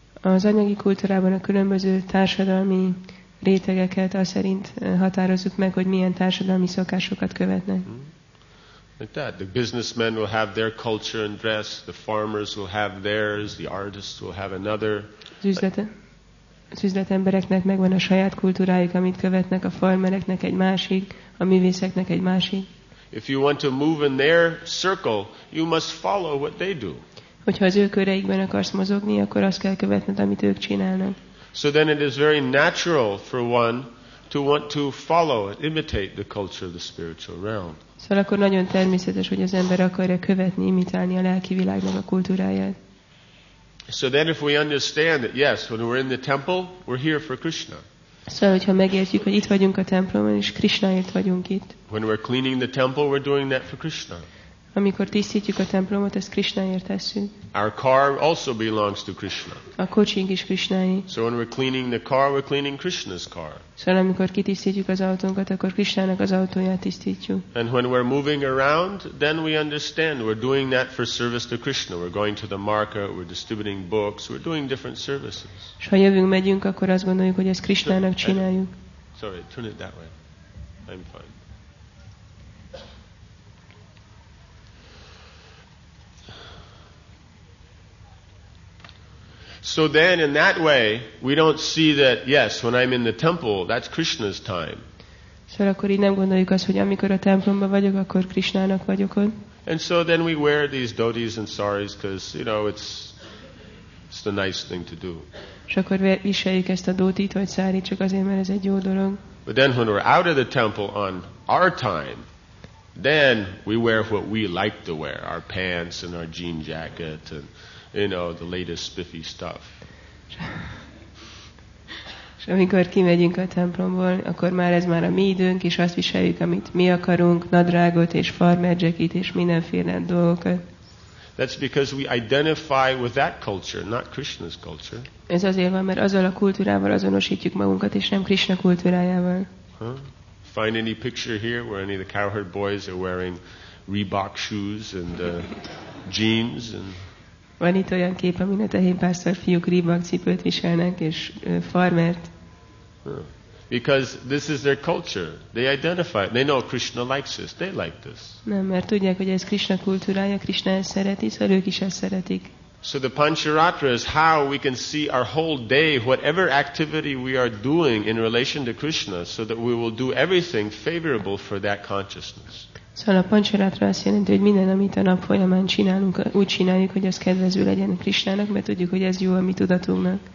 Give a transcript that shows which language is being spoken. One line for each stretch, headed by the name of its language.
Hungarian: Az anyagi kultúrában a különböző társadalmi rétegeket az szerint határozzuk meg, hogy milyen társadalmi szokásokat követnek.
English: Like that. The businessmen will have their culture and dress, the farmers will have theirs, the artists will have another.
Hungarian: Az üzletembereknek megvan a saját kultúrájuk, amit követnek, a farmereknek egy másik, a művészeknek egy másik.
English: If you want to move in their circle, you must follow what they do.
Hungarian: Hogyha az ő köreikben akarsz mozogni, akkor azt kell követned, amit ők csinálnak.
English: So then it is very natural for one to want to follow and imitate the culture of the spiritual realm.
Hungarian: Szóval akkor nagyon természetes, hogy az ember akarja követni, imitálni a lelki világnak a kultúráját.
English: So then if we understand that yes, when we're in the temple, we're here for Krishna.
Hungarian: Szóval, hogyha megértjük, hogy itt vagyunk a templomban, és Krishnaért vagyunk itt.
English: When we're cleaning the temple, we're doing that for Krishna.
Hungarian: Amikor tisztítjuk a templomot, ezt Krishnaért tesszük.
English: Our car also belongs to Krishna.
Hungarian: A kocsink is Krishnáé.
English: So when we're cleaning the car, we're cleaning Krishna's car.
Hungarian: Szóval, amikor kitisztítjuk az autónkat, akkor Krishnának az autóját tisztítjuk.
English: And when we're moving around, then we understand we're doing that for service to Krishna. We're going to the market, we're distributing books, we're doing different services.
Hungarian: És ha jövünk, megyünk, akkor azt gondoljuk, hogy ezt Krishnának csináljuk.
English: Sorry, turn it that way. I'm fine. So then in that way we don't see that yes, when I'm in the temple, that's Krishna's time.
Hungarian: Szóval akkor így nem gondoljuk azt, hogy amikor a templomban vagyok, akkor Krishnának vagyok ott.
English: And so then we wear these dhotis and saris because you know it's the nice thing to do.
Hungarian: És akkor viseljük ezt a dhotit vagy sárit csak azért, mert ez egy jó dolog.
English: But then when we're out of the temple on our time, then we wear what we like to wear, our pants and our jean jacket and you know, the latest spiffy stuff.
Hungarian: És amikor kimegyünk a templomból, akkor már ez már a mi időnk, és azt viseljük, amit mi akarunk, nadrágot és farmer jacket és mindenféle dolgokat.
English: That's because we identify with that culture, not Krishna's culture.
Hungarian: Ez azért van, mert azzal a kultúrával azonosítjuk magunkat, és nem Krishna kultúrájával.
English: Find any picture here where any of the Cowherd boys are wearing Reebok shoes and jeans and.
Hungarian: Van itt olyan kép, amin a tehénpásztor fiúk Reebok cipőt viselnek és farmert.
English: Because this is their culture. They identify. They know Krishna likes this. They like this.
Hungarian: Nem, mert tudják, hogy ez Krishna kultúrája, Krishna ezt szereti, szóval ők is ezt szeretik.
English: So the Pancharatra is how we can see our whole day, whatever activity we are doing in relation to Krishna, so that we will do everything favorable for that consciousness.
Hungarian: Szóval a Pancharatra azt jelenti, hogy minden, amit a nap folyamán csinálunk, úgy csináljuk, hogy az kedvező legyen Krishnának, mert tudjuk, hogy ez jó a mi tudatunknak.